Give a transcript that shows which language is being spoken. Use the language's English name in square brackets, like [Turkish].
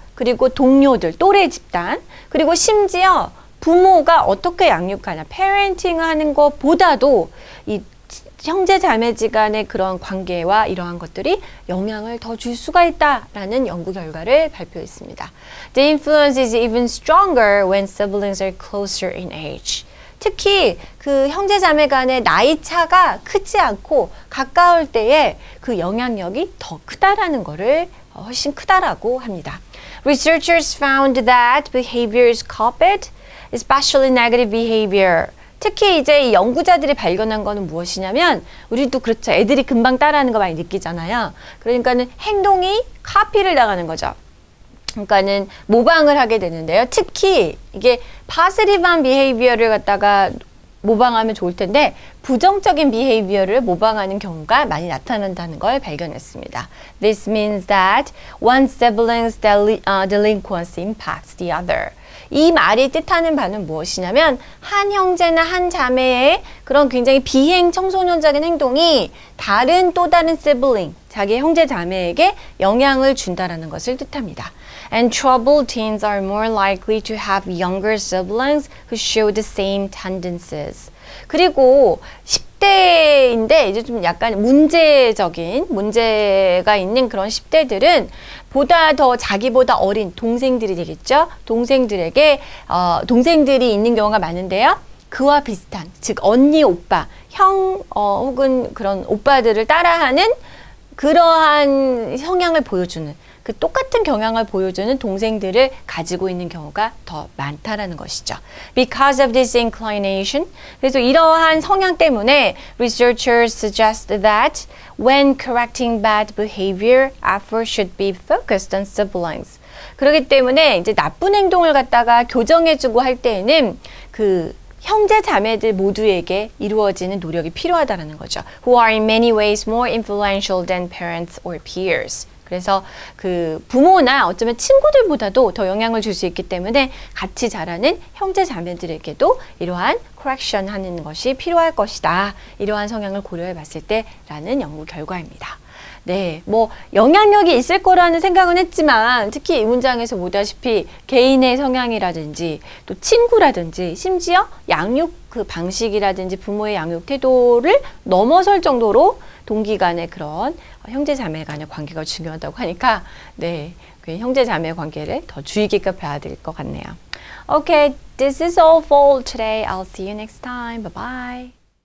[Korean] 그리고 동료들, 또래 집단, 그리고 심지어 부모가 어떻게 양육하냐, 페어런팅 하는 것보다도 이 형제 자매지간의 그런 관계와 이러한 것들이 영향을 더 줄 수가 있다라는 연구 결과를 발표했습니다. [English] The influence is even stronger when siblings are closer in age. [Korean] 특히 그 형제 자매 간의 나이 차가 크지 않고 가까울 때에 그 영향력이 더 크다라는 거를 훨씬 크다라고 합니다. [English] Researchers found that behaviors coupled, especially negative behavior. [Korean] 특히 이제 이 연구자들이 발견한 거는 무엇이냐면 우리도 그렇죠. 애들이 금방 따라하는 거 많이 느끼잖아요. 그러니까는 행동이 카피를 당하는 거죠. 그러니까는 모방을 하게 되는데요. 특히 이게 positive한 behavior를 갖다가 모방하면 좋을 텐데 부정적인 behavior를 모방하는 경우가 많이 나타난다는 걸 발견했습니다. [English] This means that one sibling's delinquency impacts the other. [Korean] 이 말이 뜻하는 바는 무엇이냐면 한 형제나 한 자매의 그런 굉장히 비행 청소년적인 행동이 다른 또 다른 sibling, 자기 형제 자매에게 영향을 준다라는 것을 뜻합니다. [English] And troubled teens are more likely to have younger siblings who show the same tendencies. [Korean] 그리고 10대인데 이제 좀 약간 문제적인 문제가 있는 그런 10대들은 보다 더 자기보다 어린 동생들이 되겠죠. 동생들에게 동생들이 있는 경우가 많은데요. 그와 비슷한 즉 언니 오빠 형 혹은 그런 오빠들을 따라하는 그러한 성향을 보여주는 그 똑같은 경향을 보여주는 동생들을 가지고 있는 경우가 더 많다라는 것이죠. [English] Because of this inclination, [Korean] 그래서 이러한 성향 때문에 [English] researchers suggest that when correcting bad behavior, effort should be focused on siblings. [Korean] 그렇기 때문에 이제 나쁜 행동을 갖다가 교정해주고 할 때에는 그 형제 자매들 모두에게 이루어지는 노력이 필요하다라는 거죠. [English] Who are in many ways more influential than parents or peers. [Korean] 그래서 그 부모나 어쩌면 친구들보다도 더 영향을 줄 수 있기 때문에 같이 자라는 형제 자매들에게도 이러한 correction 하는 것이 필요할 것이다. 이러한 성향을 고려해 봤을 때라는 연구 결과입니다. 네, 뭐 영향력이 있을 거라는 생각은 했지만 특히 이 문장에서 보다시피 개인의 성향이라든지 또 친구라든지 심지어 양육 그 방식이라든지 부모의 양육 태도를 넘어설 정도로 동기 간의 그런 형제 자매 간의 관계가 중요하다고 하니까 네, 그 형제 자매 관계를 더 주의 깊게 봐야 될 것 같네요. [English] Okay, this is all for today. I'll see you next time. Bye-bye.